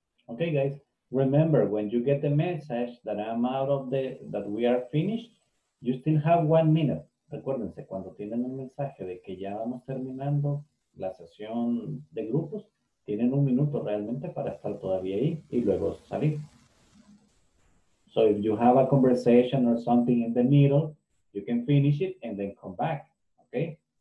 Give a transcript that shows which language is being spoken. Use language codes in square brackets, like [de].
[en] Okay, guys, remember when you get the message that I'm out of the, that we are finished, you still have 1 minute. [es] Recuérdense, cuando tienen un mensaje de que ya vamos terminando la sesión de grupos, tienen 1 minuto realmente para estar todavía ahí y luego salir. [en] So if you have a conversation or something in the middle, you can finish it and then come back, okay?